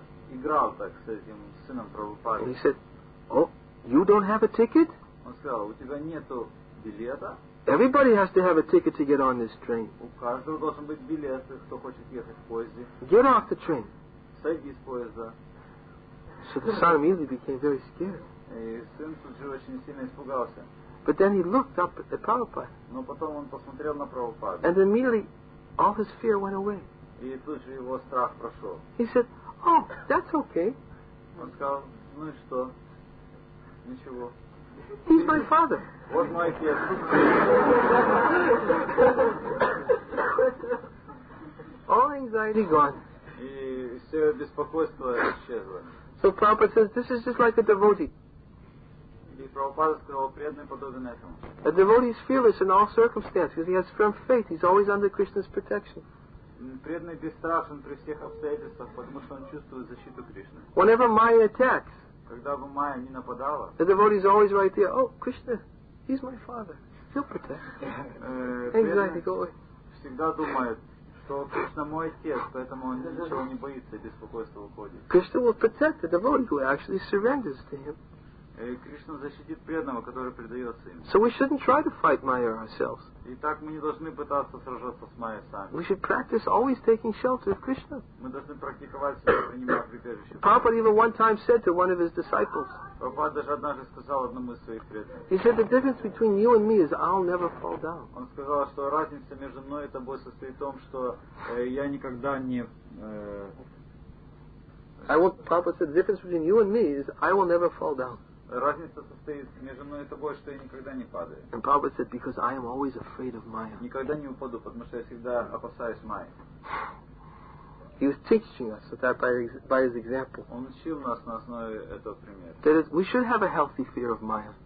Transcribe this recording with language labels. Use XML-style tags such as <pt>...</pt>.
<ru>Играл так с этим сыном Прабхупады.</ru> <en>He said, "Oh, you don't have a ticket?"</en> <ru>Он сказал, "У тебя нету билета?"</ru> <en>Everybody has to have a ticket to get on this train.</en> <ru>У каждого должен быть билет, кто хочет ехать в поезде.</ru> <en>Get off the train.</en> <ru>Сойди с поезда.</ru> <en>So the son immediately became very scared.</en> <ru>И сын тут же очень сильно испугался.</ru> <en>But then he looked up at the Prabhupada.</en> <ru>Но потом он посмотрел на Прабхупаду.</ru> <en>And immediately all his fear went away.</en> <ru>И тут же его страх прошел.</ru> <en>He said, "Oh, that's okay."</en> <ru>Он сказал, "Ну и что? Ничего."</ru> <en>He's my father.</en> <ru>Вот мой отец.</ru> <en>All anxiety gone.</en> <ru>И все беспокойство исчезло.</ru> <en>So Prabhupada says, this is just like a devotee.</en> <ru>И Прабхупада сказал, преданный подобен этому.</ru> <en>A devotee is fearless in all circumstances because he has firm faith. He's always under Krishna's protection.</en> <ru>Преданный бесстрашен при всех обстоятельствах, потому что он чувствует защиту Кришны.</ru> <en>Whenever Maya attacks,</en> <ru>когда бы Майя не нападала,</ru> <en>the devotee is always right there. Oh, Krishna, he's my father. He'll protect. Anxiety go away.</en> <ru>Всегда думает, что Кришна мой отец, поэтому он ничего не боится и беспокойство уходит.</ru> <en>Krishna will protect the devotee who actually surrenders to him.</en> <ru>Кришна защитит преданного, который предается им.</ru> <en>So we shouldn't try to fight Maya ourselves.</en> <ru>Итак, мы не должны пытаться сражаться с Майей сами.</ru> <en>We should practice always taking shelter of Krishna.</en> <ru>Мы должны практиковать всегда принимать прибежище.</ru> <en>Prabhupada even one time said to one of his disciples.</en> <ru>Prabhupada даже однажды сказал одному из своих преданных.</ru> <en>He said the difference between you and me is I'll never fall down.</en> <ru>Он сказал, что разница между мной и тобой состоит в том, что я никогда не</ru> <en>I won't. Prabhupada said the difference between you and me is I will never fall down.</en> <ru>Разница состоит между мной и тобой, что я никогда не падаю.</ru> <en>And Prabhupada said, because I am always afraid of Maya.</en> <ru>Никогда не упаду, потому что я всегда опасаюсь Майи.</ru> <en>He was teaching us that by his example.</en> <ru>Он учил нас на основе этого примера.</ru> <en>That we should have a healthy fear of Maya.</en>